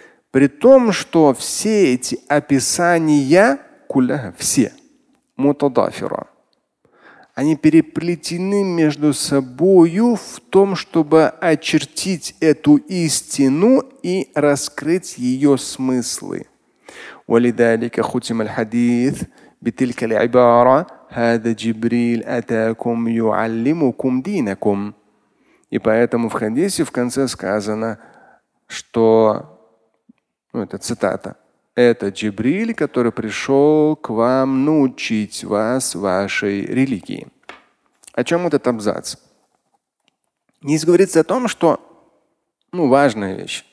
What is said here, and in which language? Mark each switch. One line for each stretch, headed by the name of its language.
Russian: При том, что все эти описания, куля, все, мутадафира, они переплетены между собою в том, чтобы очертить эту истину и раскрыть ее смыслы.
Arabic: ولذلك ختم الحديث بتلك العبارة هذا جبريل أتاكم يعلمكم دينكم.
Russian: И поэтому в хадисе в конце сказано, что, ну, это цитата, это Джибриль, который пришел к вам научить вас вашей религии. О чем этот абзац? Здесь говорится о том, что, ну, важная вещь.